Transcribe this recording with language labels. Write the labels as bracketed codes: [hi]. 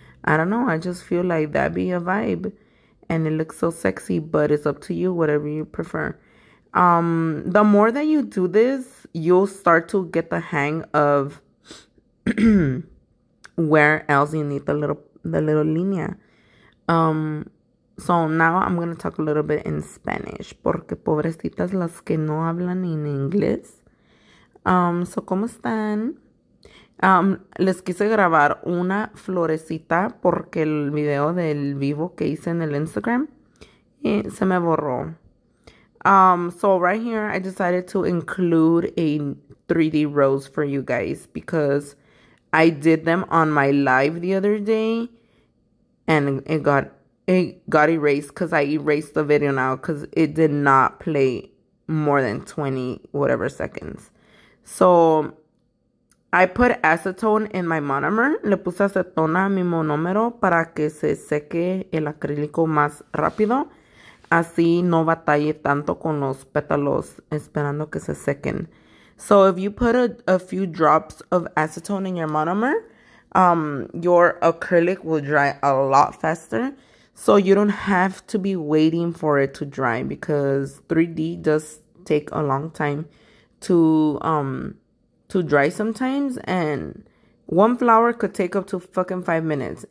[en] I don't know, I just feel like that'd be a vibe. And it looks so sexy, but it's up to you, whatever you prefer. The more that you do this, you'll start to get the hang of where else you need the little línea. So now I'm gonna talk a little bit in Spanish. [es] Porque pobrecitas las que no hablan en inglés. So, ¿cómo están? Les quise grabar una florecita porque el video del vivo que hice en el Instagram se me borró. [en] So right here I decided to include a 3D rose for you guys because I did them on my live the other day and it got erased because I erased the video now because it did not play more than 20 whatever seconds. So I put acetone in my monomer. [es] Le puse acetona a mi monómero para que se seque el acrílico más rápido. Así no batalle tanto con los pétalos esperando que se sequen. [en] So if you put a few drops of acetone in your monomer, your acrylic will dry a lot faster. So you don't have to be waiting for it to dry because 3D does take a long time to dry sometimes, and one flower could take up to fucking 5 minutes.